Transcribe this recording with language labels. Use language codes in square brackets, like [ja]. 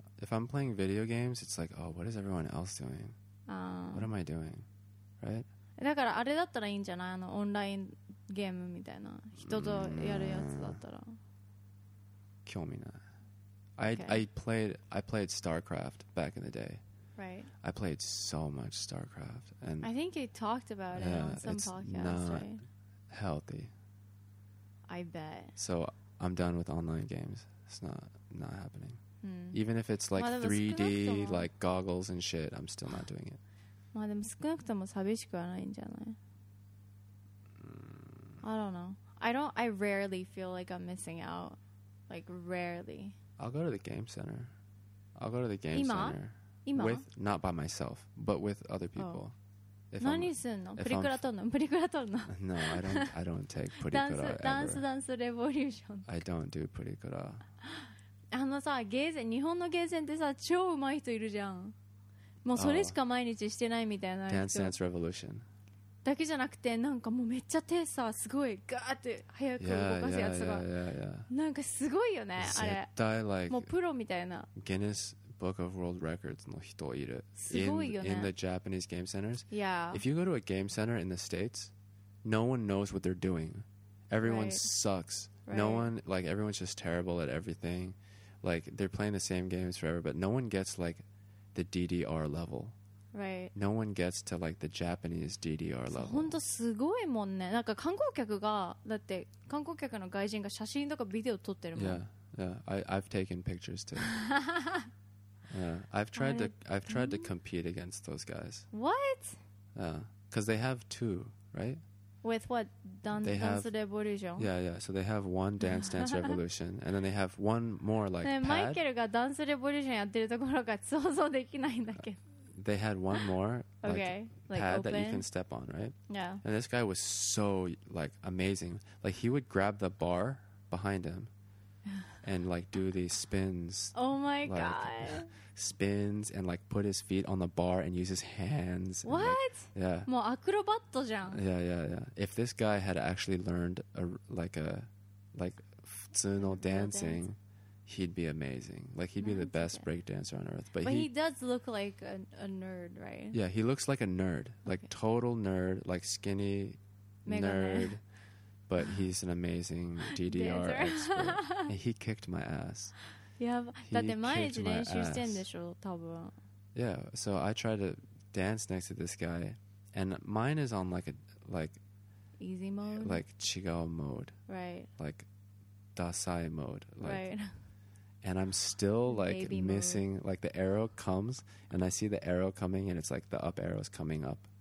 [en] If I'm playing video games, it's like, oh, what is everyone else doing? What am I doing? Right? [ja] だからあれだったらいいんじゃない？あのオンラインゲームみたいな。人とやるやつだったら。興味ない。 [en] I played StarCraft back in the day. Right. I played so much StarCraft. And I think you talked about yeah, it on some podcast, right? It's not healthy. I bet. So I'm done with online games. It's not happening. Hmm. Even if it's like 3D, like goggles and shit, I'm still not doing it. [ja] まあでも少なくとも寂しくはないんじゃない [en] I don't know. I rarely feel like I'm missing out. Like rarely. I'll go to the game center. I'll go to the game [ja] 今? [en] Center. [ja] 今? [en] With, not by myself, but with other people. Oh. [ja] 何すんの? プリクラ撮るの? プリクラ撮るの? [en] No, I don't take プリクラ ever. Dance Revolution. I don't do プリクラ。 [ja] あのさ、ゲーゼン、日本のゲーゼンってさ、超うまい人いるじゃん。もうそれしか毎日してないみたいな人。 [en] Dance Dance Revolution。 [ja] だけじゃなくて、なんかもうめっちゃ手さ、すごいガーって早く動かすやつが。 [en] Yeah, yeah, yeah, yeah, yeah. [ja] なんかすごいよね、あれ。絶対、 [en] like、 [ja] もうプロみたいな。 [en] Guinness Book of World Records [ja] の人いる。すごいよね。 [en] In the Japanese game centers. Yeah. If you go to a game center in the States, no one knows what they're doing. Everyone right. sucks. Right. No one, like everyone's just terrible at everything. Like they're playing the same games forever, but no one gets like,The DDR level. Right. No one gets to like the Japanese DDR level. [ja] 本当すごいもんね。なんか観光客が、だって観光客の外人が写真とかビデオ撮ってるもん。 [en] Yeah, yeah. I've taken pictures too. yeah. I've tried to compete against those guys. What? Yeah. Because they have two, right? With what? Dance Revolution? Yeah, yeah. So they have one Dance Dance Revolution and then they have one more like pad. [ja] マイケルがダンスレボリューションやってるところが想像できないんだけど。 [en] They had one more like, okay. pad like that you can step on, right? Yeah. And this guy was so like amazing. Like he would grab the bar behind him and like do these spins. Oh my like, god. spins and like put his feet on the bar and use his hands. What? And, like, yeah. [ja] もうアクロバットじゃん。 [en] Yeah, yeah, yeah. If this guy had actually learned like [ja] 普通の [en] dancing, he'd be amazing. Like he'd be the best breakdancer on earth. But he does look like a nerd, right? Yeah, he looks like a nerd. Like okay. total nerd, like skinny Mega nerd. But he's an amazing DDR expert. And he kicked my ass. Yeah, he kicked my ass. [ja] だって毎日練習してんでしょ、多分。 [en] Yeah, so I try to dance next to this guy. And mine is on like a... Like, easy mode? Like [ja] 違う [en] mode. Right. Like dasai mode. Like, right. And I'm still like、 Baby、 missing... Mode. Like the arrow comes and I see the arrow coming and it's like the up arrow is coming up、